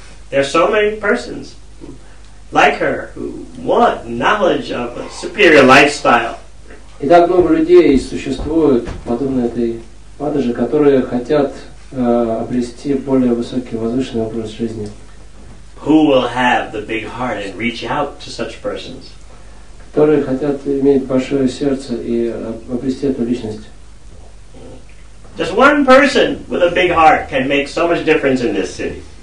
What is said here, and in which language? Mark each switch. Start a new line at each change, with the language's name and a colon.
English: There are so many persons like her who want knowledge of a superior lifestyle.
Russian: И так много людей существуют подобные этой падажи, которые хотят обрести более высокий, возвышенный образ жизни.
English: Who will have the big heart and reach out to such persons?
Russian: Которые хотят иметь большое сердце и обрести эту личность.
English: Just one person with a big heart can make so much difference in this city.